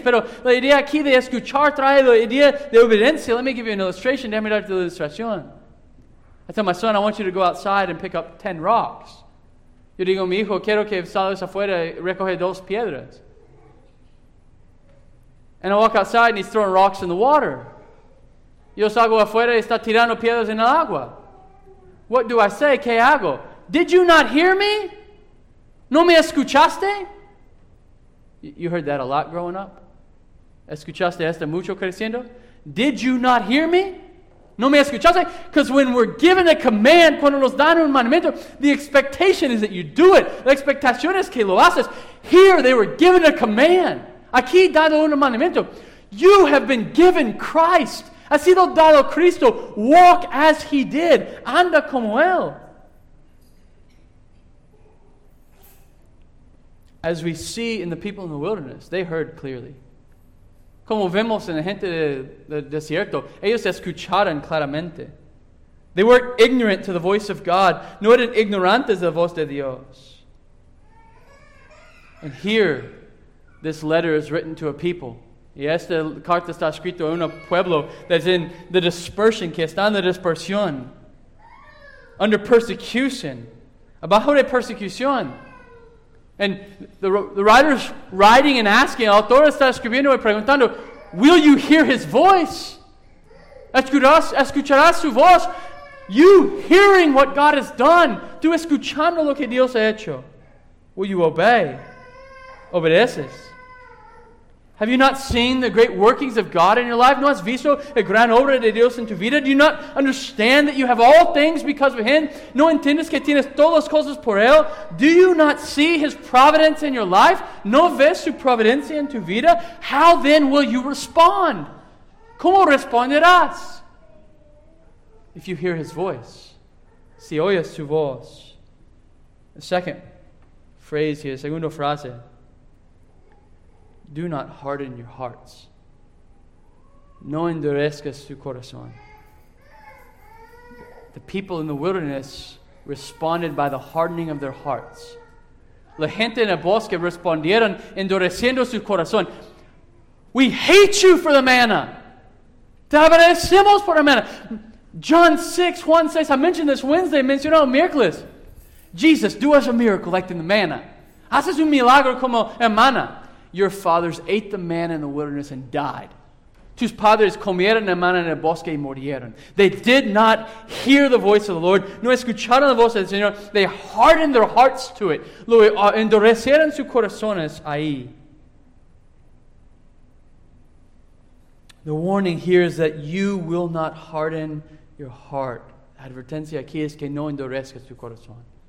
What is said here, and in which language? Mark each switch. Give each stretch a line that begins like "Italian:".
Spanish: Pero la idea aquí de escuchar trae la idea de obediencia.
English: Let me give you an illustration.
Spanish: Déjame darte la ilustración.
English: I tell my son, I want you to go outside and pick up 10 rocks.
Spanish: Yo digo, mi hijo, quiero que salgas afuera y recoge dos piedras.
English: And I walk outside and he's throwing rocks in the water.
Spanish: Yo salgo afuera y está tirando piedras en el agua.
English: What do I say?
Spanish: ¿Qué hago?
English: Did you not hear me?
Spanish: ¿No me escuchaste?
English: You heard that a lot growing up.
Spanish: ¿Escuchaste esto mucho creciendo?
English: Did you not hear me?
Spanish: ¿No me escuchaste?
English: Because when we're given a command,
Spanish: cuando nos dan un mandamiento,
English: the expectation is that you do it.
Spanish: La expectación es que lo haces.
English: Here they were given a command.
Spanish: Aquí dado un mandamiento.
English: You have been given Christ.
Spanish: Ha sido dado Cristo.
English: Walk as he did.
Spanish: Anda como él.
English: As we see in the people in the wilderness, they heard clearly.
Spanish: Como vemos en la gente del desierto, ellos escucharon claramente.
English: They weren't ignorant to the voice of God, nor
Spanish: eran ignorantes de la voz de Dios.
English: And here, this letter is written to a people.
Spanish: Y esta carta está escrita a un pueblo
English: that's in the dispersion,
Spanish: que está en la dispersión,
English: under persecution,
Spanish: abajo de persecución.
English: And the writer's writing and asking,
Spanish: el autor está escribiendo y preguntando,
English: will you hear his voice?
Spanish: ¿Escucharás su voz?
English: You hearing what God has done,
Spanish: tú escuchando lo que Dios ha hecho,
English: will you obey?
Spanish: ¿Obedeces?
English: Have you not seen the great workings of God in your life?
Spanish: No has visto el gran obra de Dios en tu vida?
English: Do you not understand that you have all things because of Him?
Spanish: No entiendes que tienes todas las cosas por Él?
English: Do you not see His providence in your life?
Spanish: No ves su providencia en tu vida?
English: How then will you respond?
Spanish: ¿Cómo responderás?
English: If you hear His voice.
Spanish: Si oyes su voz.
English: The second phrase here,
Spanish: segundo frase.
English: Do not harden your hearts.
Spanish: No endurezcas tu corazón.
English: The people in the wilderness responded by the hardening of their hearts.
Spanish: La gente en el bosque respondieron endureciendo su corazón.
English: We hate you for the manna.
Spanish: Te aborrecemos por la manna.
English: John 6, 1 says, I mentioned this Wednesday,
Spanish: mencionó miércoles.
English: Jesus, do us a miracle like in the manna.
Spanish: Haces un milagro como el manna.
English: Your fathers ate the manna in the wilderness and died.
Spanish: Tus padres comieron el manna en el bosque y murieron.
English: They did not hear the voice of the Lord.
Spanish: No escucharon la voz del Señor.
English: They hardened their hearts to it.
Spanish: Lo endurecieron sus corazones ahí.
English: The warning here is that you will not harden your heart.
Spanish: La advertencia aquí es que no endurezcas tu corazón.